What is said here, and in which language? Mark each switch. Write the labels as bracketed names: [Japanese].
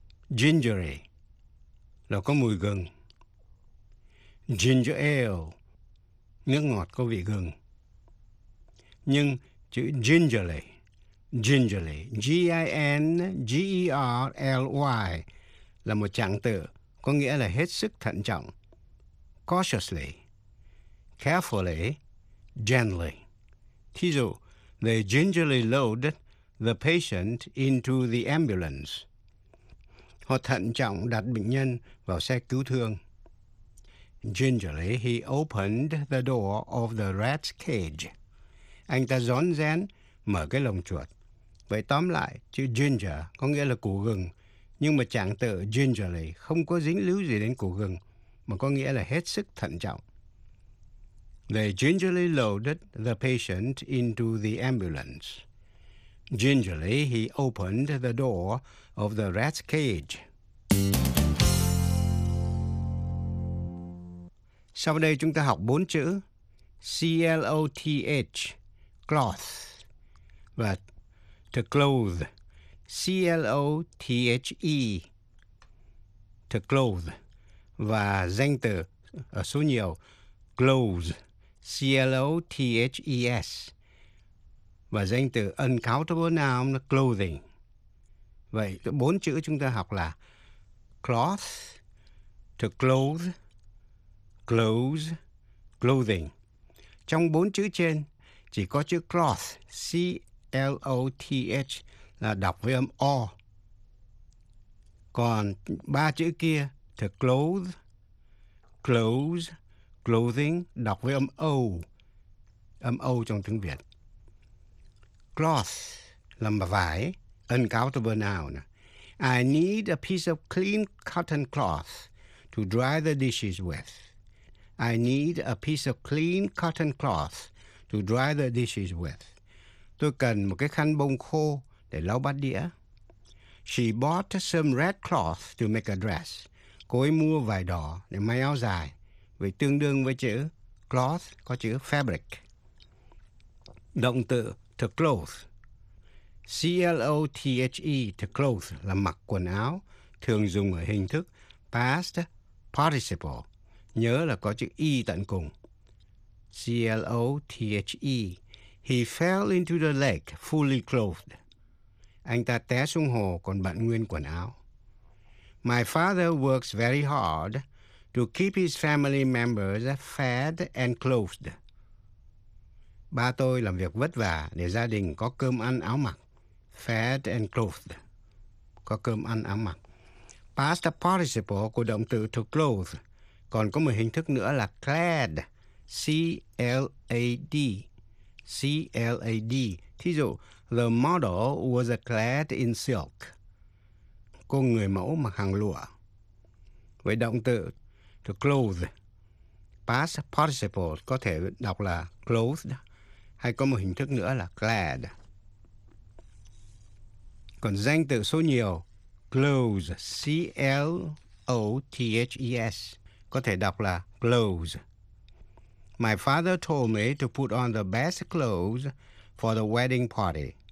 [Vietnamese] Gingery, là có mùi gừng. Ginger ale, nước ngọt có vị gừng. Nhưng chữ gingerly, gingerly, G-I-N-G-E-R-L-Y, là một trạng từ có nghĩa là hết sức thận trọng. [English] Cautiously, carefully, gently. [Vietnamese] Thí dụ, [English] they gingerly loaded the patient into the ambulance. [Vietnamese] Họ thận trọng đặt bệnh nhân vào xe cứu thương. [English] Gingerly, he opened the door of the rat's cage. [Vietnamese] Anh ta rón rén mở cái lồng chuột. Vậy tóm lại, chữ ginger có nghĩa là củ gừng, nhưng mà trạng từ gingerly không có dính líu gì đến củ gừng, mà có nghĩa là hết sức thận trọng. [English] They gingerly loaded the patient into the ambulance. Gingerly, he opened the door of the rat's cage. [Vietnamese] Sau đây chúng ta học bốn chữ C-L-O-T-H, cloth, và to clothe, C-L-O-T-H-E, to clothe, và danh từ số nhiều, clothes, C-L-O-T-H-E-S, và danh từ uncountable noun clothing. Vậy bốn chữ chúng ta học là cloth, to clothe, clothes, clothing. Trong bốn chữ trên chỉ có chữ cloth, C-L-O-T-H, là đọc với âm O. Còn ba chữ kia, to clothe, clothes, clothing, đọc với âm O trong tiếng Việt. Cloth là mà vải, uncountable noun. [English] I need a piece of clean cotton cloth to dry the dishes with. I need a piece of clean cotton cloth to dry the dishes with. [Vietnamese] Tôi cần một cái khăn bông khô để lau bát đĩa. [English] She bought some red cloth to make a dress. [Vietnamese] Cô ấy mua vải đỏ để may áo dài. Vì tương đương với chữ cloth có chữ fabric. Động từ to clothe. C-L-O-T-H-E, to clothe, là mặc quần áo, thường dùng ở hình thức past participle. Nhớ là có chữ E tận cùng. C-L-O-T-H-E. [English] He fell into the lake fully clothed. [Vietnamese] Anh ta té xuống hồ còn bận nguyên quần áo. [English] My father works very hard to keep his family members fed and clothed. [Vietnamese] Ba tôi làm việc vất vả để gia đình có cơm ăn áo mặc. [English] Fed and clothed. [Vietnamese] Có cơm ăn áo mặc. Past participle của động từ to clothe. Còn có một hình thức nữa là clad. C-L-A-D. C-L-A-D. Thí dụ, [English] the model was clad in silk. [Vietnamese] Cô người mẫu mặc hàng lụa. Với động từ to clothe, past participle có thể đọc là clothed, hay có một hình thức nữa là clad. Còn danh từ số nhiều, close, C-L-O-T-H-E-S, có thể đọc là close. [English] My father told me to put on the best clothes for the wedding party.